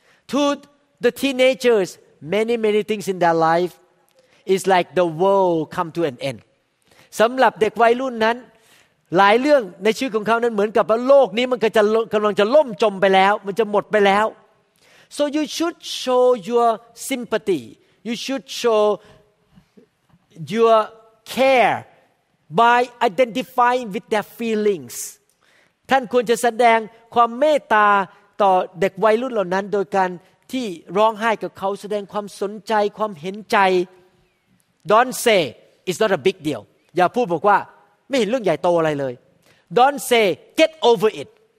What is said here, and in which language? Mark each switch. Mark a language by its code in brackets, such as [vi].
[en] To the teenagers many many things in their life is like the world come to an end [th] สำหรับเด็กวัยรุ่นนั้นหลายเรื่องในชีวิตของเขานั้นเหมือนกับว่าโลกนี้มันกำลังจะล่มจมไปแล้วมันจะหมดไปแล้ว [en] So you should show your sympathy. You should show your care by identifying with their feelings. [th] ท่านควรจะแสดงความเมตตาต่อเด็กวัยรุ่นเหล่านั้นโดยการที่ร้องไห้กับเขาแสดงความสนใจความเห็นใจ [en] Don't say it's not a big deal. [th] อย่าพูดบอกว่าไม่เห็นเรื่องใหญ่โตอะไรเลย [en] Don't say get over it.